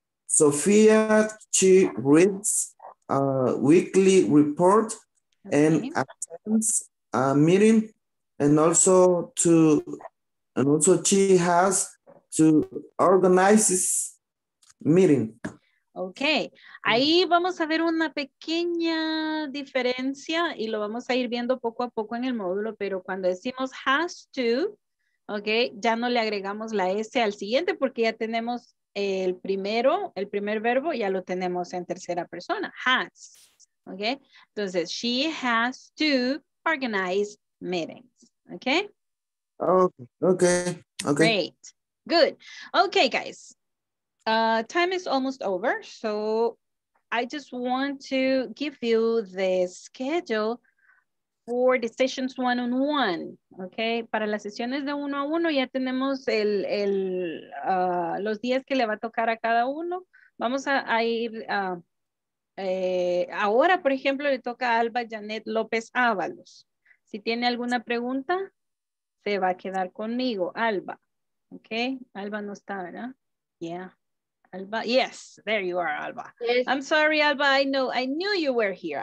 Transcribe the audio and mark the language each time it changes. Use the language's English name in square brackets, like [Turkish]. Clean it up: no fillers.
[English] Sofia, she reads a weekly report and attends a meeting, and also to and also she has to organize this meeting. [Spanish] Okay, ahí vamos a ver una pequeña diferencia y lo vamos a ir viendo poco a poco en el módulo, pero cuando decimos has to, okay, ya no le agregamos la S al siguiente porque ya tenemos el primer verbo ya lo tenemos en tercera persona, has, okay? Entonces, [English] she has to organize meetings, okay? Okay. Great, good. Okay, guys. Time is almost over, so I just want to give you the schedule for the sessions one-on-one, okay? [Spanish] Para las sesiones de uno a uno ya tenemos los días que le va a tocar a cada uno. Vamos a ir, ahora, por ejemplo, le toca a Alba Janet López Ábalos. Si tiene alguna pregunta, se va a quedar conmigo, Alba, okay? Alba no está, ¿verdad? [English] Yeah. Alba, yes, there you are, Alba. Yes. I'm sorry, Alba, I know, I knew you were here.